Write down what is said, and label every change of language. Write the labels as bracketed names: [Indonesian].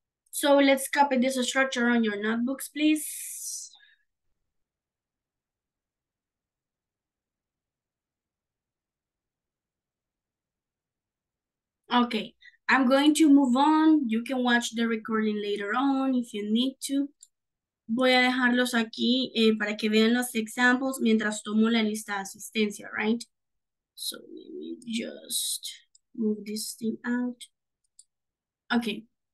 [English] So let's copy this structure on your notebooks, please. Okay, I'm going to move on. You can watch the recording later on if you need to. [Spanish] Voy a dejarlos aquí para que vean los examples mientras tomo la lista de asistencia, right? [English] So let me just move this thing out. Okay.